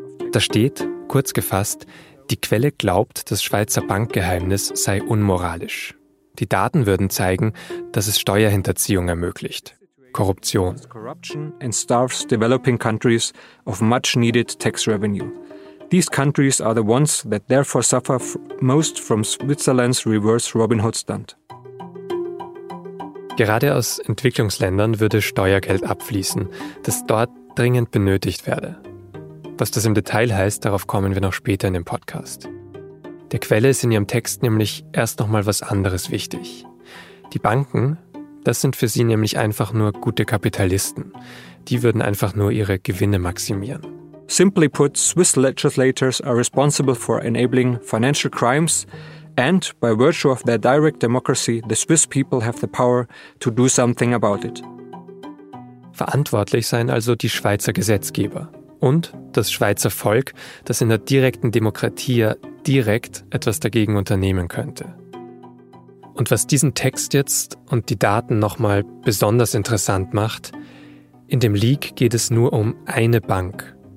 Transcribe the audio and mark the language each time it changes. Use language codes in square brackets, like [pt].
[de] Da steht, kurz gefasst, die Quelle glaubt, das Schweizer Bankgeheimnis sei unmoralisch. Die Daten würden zeigen, dass es Steuerhinterziehung ermöglicht. Korruption. [en] Corruption and starves developing countries of much needed tax revenue. These countries are the ones that therefore suffer most from Switzerland's reverse Robin Hood stunt. [de] Gerade aus Entwicklungsländern würde Steuergeld abfließen, das dort dringend benötigt werde. Was das im Detail heißt, darauf kommen wir noch später in dem Podcast. Der Quelle ist in ihrem Text nämlich erst nochmal was anderes wichtig. Die Banken, das sind für sie nämlich einfach nur gute Kapitalisten. Die würden einfach nur ihre Gewinne maximieren. [en] Simply put, Swiss legislators are responsible for enabling financial crimes and by virtue of their direct democracy, the Swiss people have the power to do something about it. [de] Verantwortlich seien also die Schweizer Gesetzgeber. Und das Schweizer Volk, das in der direkten Demokratie direkt etwas dagegen unternehmen könnte. Und was diesen Text jetzt und die Daten nochmal besonders interessant macht, in dem Leak geht es nur um eine Bank.